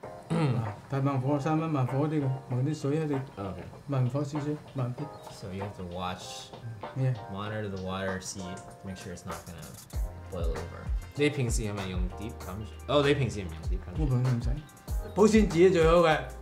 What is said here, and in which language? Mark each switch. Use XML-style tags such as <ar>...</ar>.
<yue>嗯，大慢火，三分慢火啲嘅，慢啲水啊啲。</yue> <en>OK，</en> <yue>慢火少少，慢啲。</yue> <en>So you have to watch, yeah, monitor the water, see, make sure it's not gonna boil over.</en> <yue>你平時係咪用 deep cut？ 哦，你平時唔用 deep cut？我平時唔使，保鮮紙最好嘅。</yue>